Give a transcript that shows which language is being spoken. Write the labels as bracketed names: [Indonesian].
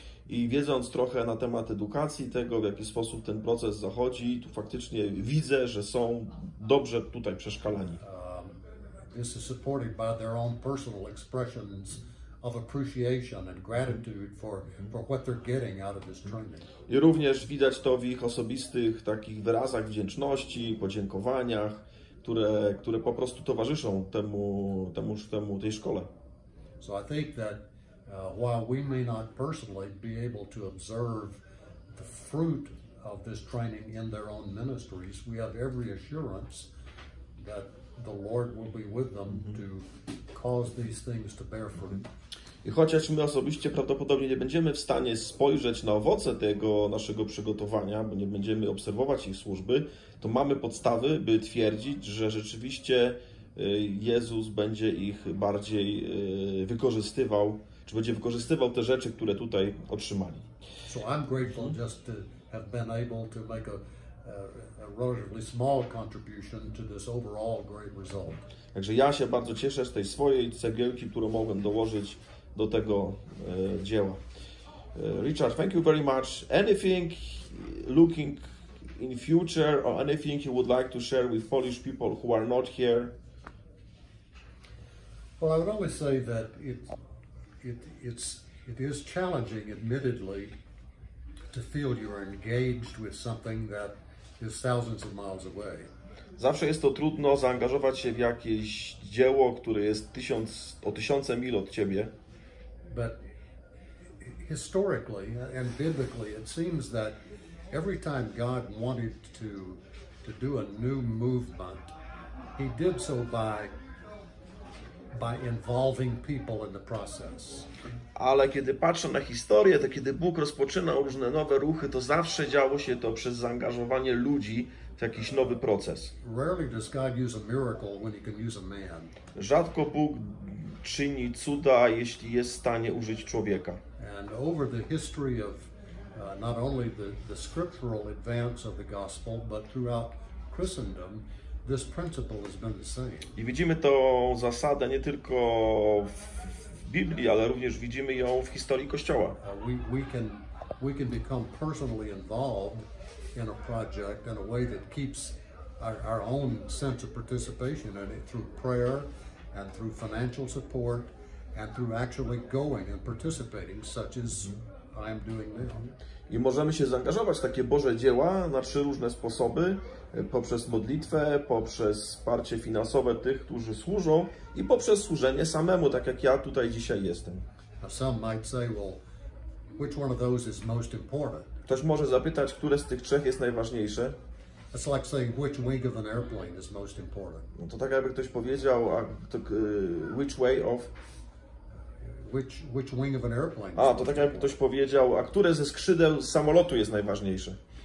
[Polish] I wiedząc trochę na temat edukacji, tego, w jaki sposób ten proces zachodzi, tu faktycznie widzę, że są dobrze tutaj przeszkalani. [English] This is supported by their own personal expressions of appreciation and gratitude for what they're getting out of this training. [Polish] I również widać to w ich osobistych takich wyrazach wdzięczności, podziękowaniach, które po prostu towarzyszą temu tej szkole. [English] So I think that while we may not personally be able to observe the fruit of this training in their own ministries, we have every assurance that the Lord will be with them to cause these things to bear fruit. [Polish] I chociaż my osobiście prawdopodobnie nie będziemy w stanie spojrzeć na owoce tego naszego przygotowania, bo nie będziemy obserwować ich służby, to mamy podstawy, by twierdzić, że rzeczywiście Jezus będzie ich bardziej wykorzystywał, czy będzie wykorzystywał te rzeczy, które tutaj otrzymali. [English] So I'm grateful just to have been able to make a relatively small contribution to this overall great result. [Polish] Także ja się bardzo cieszę z tej swojej cegiełki, którą mogłem dołożyć do tego dzieła. [English] Richard, thank you very much. Anything looking in future or anything you would like to share with Polish people who are not here? Well, I would always say that it is challenging, admittedly, to feel you are engaged with something that is thousands of miles away. [Polish] Zawsze jest to trudno zaangażować się w jakieś dzieło, które jest tysiące mil od ciebie. [English] But historically and biblically, it seems that every time God wanted to to do a new movement, he did so by involving people in the process. [Polish] Ale kiedy patrzę na historię, to kiedy Bóg rozpoczynał różne nowe ruchy, to zawsze działo się to przez zaangażowanie ludzi w jakiś nowy proces. [English] Rarely does God use a miracle when he can use a man. [Polish] Rzadko Bóg czyni cuda, jeśli jest w stanie użyć człowieka. [English] And over the history of not only the scriptural advance of the gospel, but throughout Christendom, this principle has been the same. [Polish] I widzimy tą zasadę nie tylko w Biblii, ale również widzimy ją w historii Kościoła. [English] We can become personally involved in a project in a way that keeps our own sense of participation in it through prayer and through financial support and through actually going and participating, such as I am doing now. [Polish] I możemy się zaangażować w takie Boże dzieła na trzy różne sposoby, poprzez modlitwę, poprzez wsparcie finansowe tych, którzy służą i poprzez służenie samemu, tak jak ja tutaj dzisiaj jestem. [English] Some might say, well, which one of those is most important? [Polish] Ktoś może zapytać, które z tych trzech jest najważniejsze. [English] It's like saying, which wing of an airplane is most important? [Polish] No to tak jakby ktoś powiedział, [English] which way of... Which wing of an airplane? [Polish] A, to tak jakby ktoś powiedział, a które ze skrzydeł samolotu jest najważniejsze?